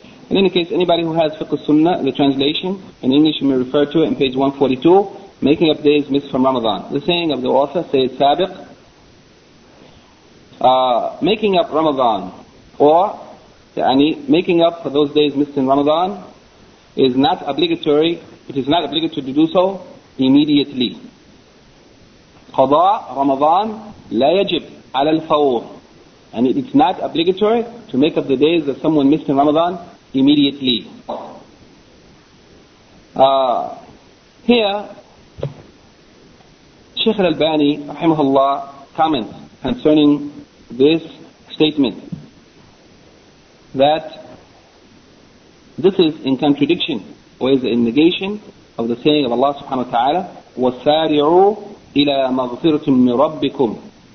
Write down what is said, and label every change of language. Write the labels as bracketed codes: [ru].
[en] In any case, anybody who has Fiqh al-Sunnah, the translation, in English you may refer to it in page 142, making up days missed from Ramadan. The saying of the author, Sayyid Sabiq, making up Ramadan, or yani, making up for those days missed in Ramadan, is not obligatory, it is not obligatory to do so immediately. [ar] قضاء رمضان لا يجب على الفور [en] And it's not obligatory to make up the days that someone missed in Ramadan immediately. Here, Sheikh al-Albani, rahimahullah, comments concerning this statement that this is in contradiction or is in negation of the saying of Allah subhanahu wa ta'ala, [ar] وَسَارِعُوا إِلَى مَغْفِرَةٍ مِّن رَبِّكُمْ